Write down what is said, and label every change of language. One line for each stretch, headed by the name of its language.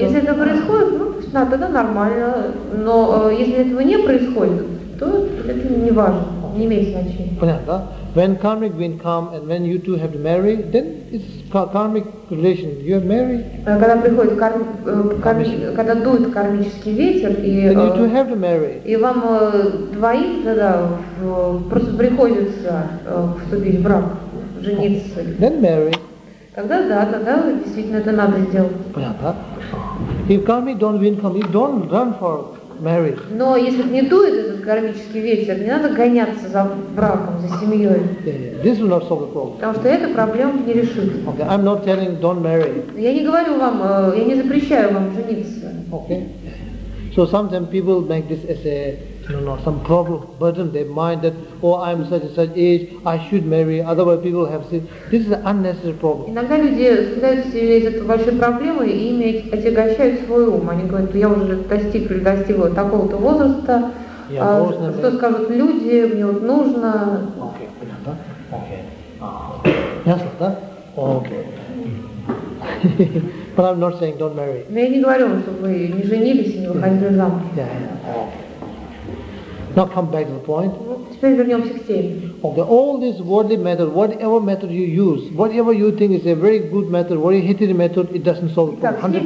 Russian: Если это происходит, ну пусть на тогда нормально. Но если этого не происходит, то это не важно, не имеет значения. Понятно, да?
English: When karmic wind come and when you two have to marry, then it's karmic relation. You have married.
Russian: Когда приходит когда дует кармический ветер и
English: then you two have to marry.
Russian: И вам двоим тогда просто приходится вступить в брак, жениться.
English: Okay. Then marry.
Russian: Тогда да, тогда действительно это надо сделать. Понятно.
English: If karmic don't wind come, you don't run for. Married.
Russian: Но если не дует этот кармический ветер, не надо гоняться за браком, за семьей.
English: Yeah, yeah. This will not solve the problem.
Russian: Потому что эта проблема не решит.
English: Okay. I'm not telling don't marry.
Russian: Я не говорю вам, я не запрещаю вам жениться.
English: Okay. So sometimes people make this as a, you know, some problem, burden their mind that, oh, I'm such and such age, I should marry, otherwise people have said, this is an unnecessary problem.
Russian: Иногда люди пытаются себе из этой большой проблемы и отягощают свой ум. Они говорят, я уже достигла такого-то возраста, что скажут люди, мне вот нужно. Окей, понятно, окей. Ясно, да? Окей.
English: But I'm not saying don't marry.
Russian: Но я не говорю, чтобы вы не женились и не выходили замуж.
English: Now come back to the point. Okay, all these worldly methods, whatever method you use, whatever you think is a very good method, very hated method, it doesn't solve the problem.